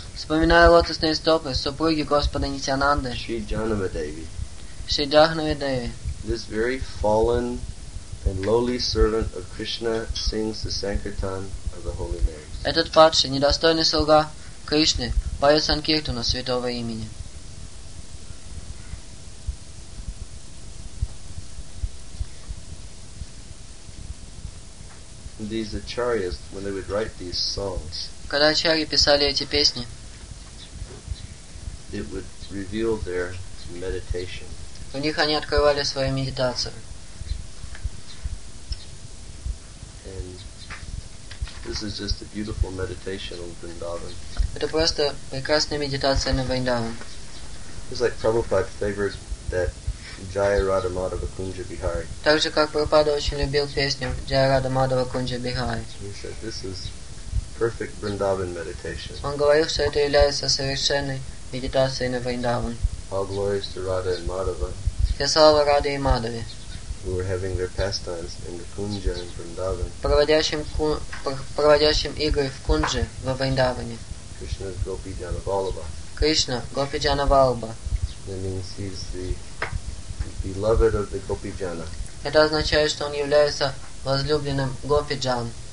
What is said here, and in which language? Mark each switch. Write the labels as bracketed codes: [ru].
[ru] Вспоминая лотосные стопы супруги Господа Нитянанды. [en] Shri Janava Devi. [ru] Shri Janava Devi. [en] This very fallen and lowly servant of Krishna sings the Sankirtan of the Holy Name. [ru] этот падший, недостойный слуга Кришны поет санкиртану святого имени. [en] These acharyas, when they would write these songs, [ru] когда ачарьи писали эти песни, [en] it would reveal their meditation. [ru] У них они открывали свою медитацию. [en] And this is just a beautiful meditation on Vrindavan. [ru] Это просто прекрасная медитация на Вриндаван. [en] It's like Prabhupada favors that Jaya Radha Madhava Kunja Bihari. [ru] Так же, как Прабхупада очень любил песню Jaya Radha Madhava Kunja Bihari. [en] He said, this is perfect Vrindavan meditation. [ru] Он говорил, что это является совершенной медитацией на Вриндаван. [en] All glories to Radha and Madhava. [ru] Все слава Раде и Мадхаве. [en] Who were having their pastimes in the Kunja and Vrindavan. [ru] Проводящим игры в Кунже во Вриндаване. [en] Krishna's Gopi Janavalabha. [ru] Krishna, Gopi Janavalabha. [en] That means he's the beloved of the Gopijana. [ru] Это означает, что он является возлюбленным Гопиджан.